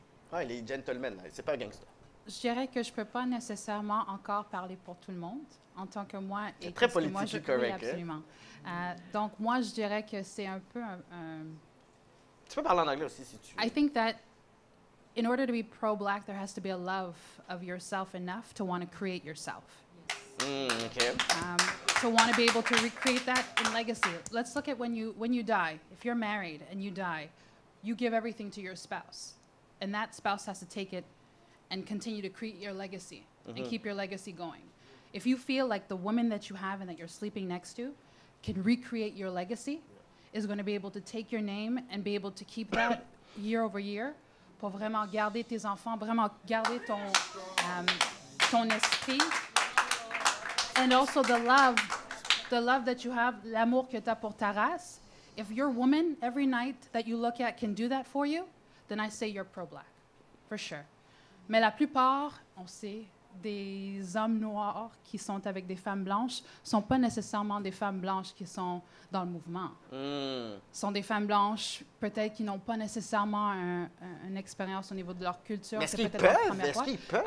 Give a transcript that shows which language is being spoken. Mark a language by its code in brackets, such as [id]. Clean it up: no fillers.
[fr] Ah, il est gentleman, là. C'est pas un gangster. Je dirais que je peux pas nécessairement encore parler pour tout le monde en tant que moi. C'est très politique, correct. Oui, absolument. Hein? Donc, moi, je dirais que c'est un peu Tu peux parler en anglais aussi, si tu veux. [en] I think that in order to be pro-black, there has to be a love of yourself enough to want to create yourself. Okay. To want to be able to recreate that in legacy. Let's look at when you die. If you're married and you die, you give everything to your spouse. And that spouse has to take it and continue to create your legacy mm-hmm. and keep your legacy going. If you feel like the woman that you have and that you're sleeping next to can recreate your legacy, is going to be able to take your name and be able to keep that year over year, [fr] pour vraiment garder tes enfants, vraiment garder ton esprit, [en] and also the love that you have, [fr] l'amour que tu as pour ta race. [en] If your woman every night that you look at can do that for you, then I say you're pro-black, for sure. [fr] Mais la plupart, on sait, des hommes noirs qui sont avec des femmes blanches sont pas nécessairement des femmes blanches qui sont dans le mouvement. Sont des femmes blanches, peut-être, qui n'ont pas nécessairement une expérience au niveau de leur culture. Mais est-ce qu'ils peuvent?